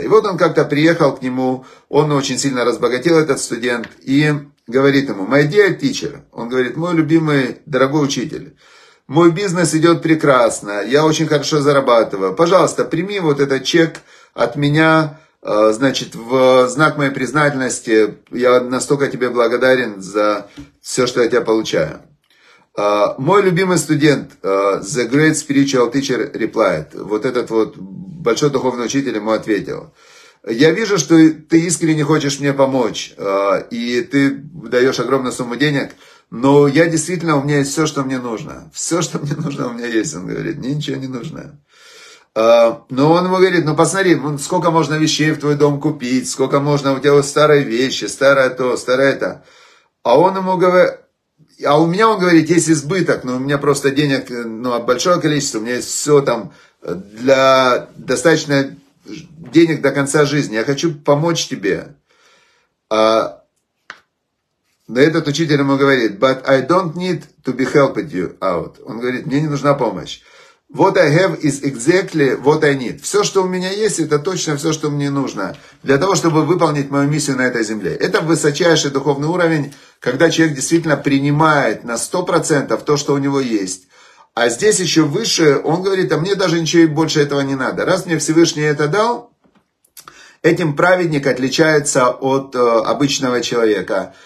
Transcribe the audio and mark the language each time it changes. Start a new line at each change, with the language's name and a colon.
Russian: И вот он как-то приехал к нему, он очень сильно разбогател, этот студент, и говорит ему,
English: my dear teacher,
Russian: он говорит, мой любимый, дорогой учитель, мой бизнес идет прекрасно, я очень хорошо зарабатываю. Пожалуйста, прими вот этот чек от меня Значит, в знак моей признательности я настолько тебе благодарен за все, что я тебя получаю. Мой любимый студент,
English: The Great Spiritual Teacher replied.
Russian: Вот этот вот большой духовный учитель ему ответил. Я вижу, что ты искренне хочешь мне помочь, и ты даешь огромную сумму денег, но я действительно, у меня есть все, что мне нужно. Все, что мне нужно, у меня есть, он говорит, мне ничего не нужно. Но он ему говорит, ну посмотри, сколько можно вещей в твой дом купить, сколько можно у тебя старые вещи, старое то, старое это. А он ему говорит, а у меня, он говорит, есть избыток, но у меня просто денег, ну, большое количество, у меня есть все там для достаточно денег до конца жизни, я хочу помочь тебе. Но этот учитель ему говорит,
English: but I don't need to be helped you out.
Russian: Он говорит, мне не нужна помощь.
English: What I have is exactly what I need.
Russian: Все, что у меня есть, это точно все, что мне нужно для того, чтобы выполнить мою миссию на этой земле. Это высочайший духовный уровень, когда человек действительно принимает на 100% то, что у него есть. А здесь еще выше, он говорит, а мне даже ничего больше этого не надо. Раз мне Всевышний это дал, этим праведник отличается от обычного человека.